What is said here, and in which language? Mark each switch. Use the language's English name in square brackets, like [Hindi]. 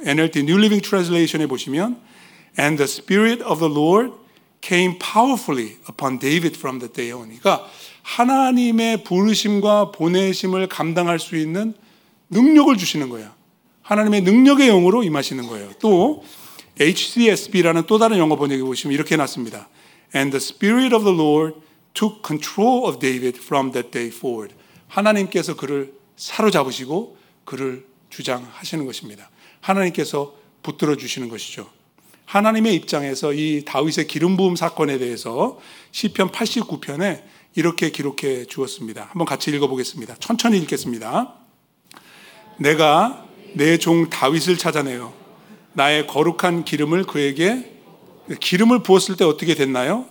[Korean] NLT New Living Translation에 보시면 [English] And the Spirit of the Lord came powerfully upon David from the day on. [Korean] 그러니까 하나님의 부르심과 보내심을 감당할 수 있는 능력을 주시는 거예요. 하나님의 능력의 영으로 임하시는 거예요. 또 HCSB라는 또 다른 영어 번역에 보시면 이렇게 해놨습니다. [English] And the Spirit of the Lord took control of David from that day forward. [Korean] 하나님께서 그를 사로잡으시고 그를 주장하시는 것입니다. 하나님께서 붙들어 주시는 것이죠. 하나님의 입장에서 이 다윗의 기름 부음 사건에 대해서 시편 89편에 이렇게 기록해 주었습니다. 한번 같이 읽어보겠습니다. 천천히 읽겠습니다. 내가 내 종 다윗을 찾아내어 나의 거룩한 기름을 그에게, 기름을 부었을 때 어떻게 됐나요?